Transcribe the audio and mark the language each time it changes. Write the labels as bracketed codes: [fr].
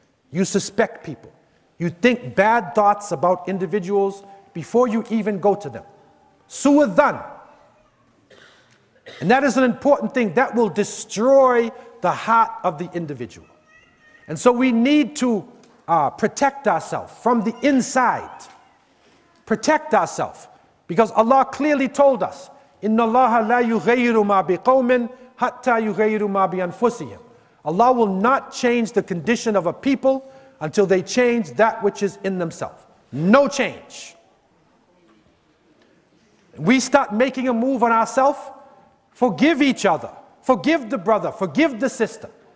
[en] You suspect people. You think bad thoughts about individuals before you even go to them. Su'a dhann. And that is an important thing. That will destroy the heart of the individual. And so we need to protect ourselves from the inside. Protect ourselves. Because Allah clearly told us, [ar] إِنَّ اللَّهَ لَا يُغَيِّرُ مَا بِقَوْمٍ حَتَّى يُغَيِّرُ مَا بِأَنفُسِهِمْ. [en] Allah will not change the condition of a people until they change that which is in themselves. No change. We start making a move on ourselves. Forgive each other. Forgive the brother. Forgive the sister.